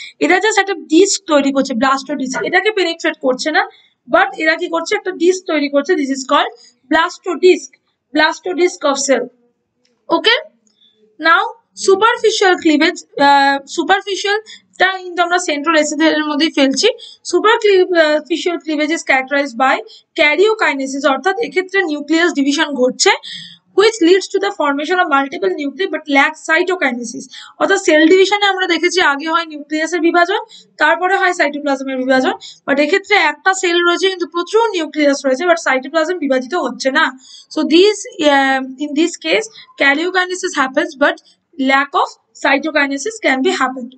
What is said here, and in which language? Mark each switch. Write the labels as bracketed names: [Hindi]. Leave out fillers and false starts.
[Bangla] এটা জাস্ট একটা ডিস্ক তৈরি করছে, ব্লাস্টোডিস, এটাকে পেনিট্রেট করছে না, বাট এরা কি করছে একটা ডিস্ক তৈরি করছে, [English] This is called blastodisc, blastodisc of cell. Okay, now superficial cleavage, [Bangla] superficial তা কিন্তু আমরা সেন্ট্রাল এসিথিয়াল এর মধ্যেই ফেলছি। [English] superficial cleavage is characterize by karyokinesis, [Bangla] অর্থাৎ এক্ষেত্রে নিউক্লিয়াস ডিভিশন ঘটছে। [English] which leads to the formation of multiple nuclei but lacks cytokinesis. [Bangla] অর্থাৎ সেল ডিভিশনে আমরা দেখেছি আগে হয় নিউক্লিয়াসের বিভাজন, তারপরে হয় সাইটোপ্লাজমের বিভাজন, বাট এক্ষেত্রে একটা সেল রয়েছে কিন্তু প্রচুর নিউক্লিয়াস রয়েছে বাট সাইটোপ্লাজম বিভাজিত হচ্ছে না. [English] So this in this case karyokinesis happens but lack of cytokinesis can be happened.